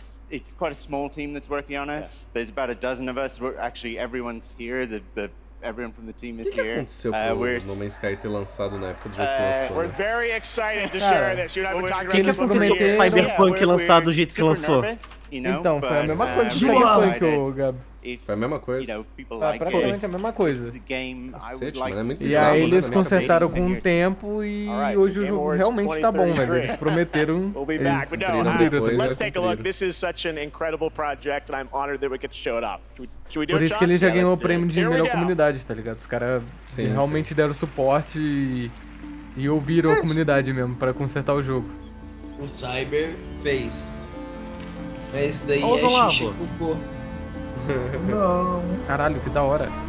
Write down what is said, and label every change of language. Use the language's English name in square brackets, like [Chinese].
[English] It's quite a small team that's working on us. Yeah. There's about a dozen of us. We're actually everyone's here. Everyone from the team is here. [Portuguese] No Man's Sky ter lançado na época do jogo que lançou. [English] We're very excited to share this. You're not talking about this. [Portuguese] O que aconteceu com o Cyberpunk lançado do jeito que lançou? Então, foi a mesma coisa que Cyberpunk, Gabs. Foi a mesma coisa. Praticamente a mesma coisa. Cacete, e aí eles consertaram com o tempo e hoje o jogo realmente tá bom, velho. Eles prometeram. Vamos ver. Mas não, vamos ter uma olhada. Isso é [English] such an incredible project and I'm honored that we could show it up. [Portuguese] Por isso que ele já ganhou o prêmio de melhor comunidade, tá ligado? Os caras realmente deram suporte e ouviram a comunidade mesmo pra consertar o jogo. O Cyber fez. Mas esse daí é xixi cocô. Não. Caralho, que da hora.